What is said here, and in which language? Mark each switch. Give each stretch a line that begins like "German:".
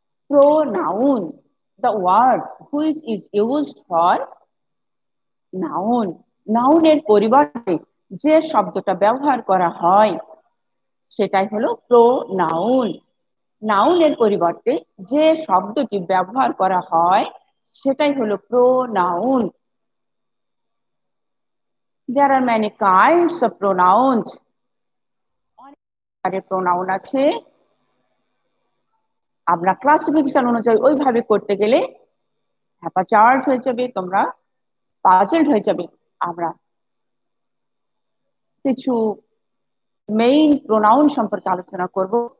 English: Pronoun, the word which is used for noun.
Bangla: Noun এর পরিবর্তে যে শব্দটা ব্যবহার করা হয় সেটাই হলো pronoun. Noun এর পরিবর্তে যে শব্দটি ব্যবহার করা হয় সেটাই হলো pronoun.
English: There are many kinds of pronouns.
Bangla: অনেক ধরনের pronoun আছে। আমরা ক্লাসিফিকেশন অনুযায়ী ওইভাবে করতে গেলে হ্যাপা চার্জ হয়ে যাবে, তোমরা পাজলড হয়ে যাবে। আমরা কিছু মেইন প্রোনাউন সম্পর্কে আলোচনা করব।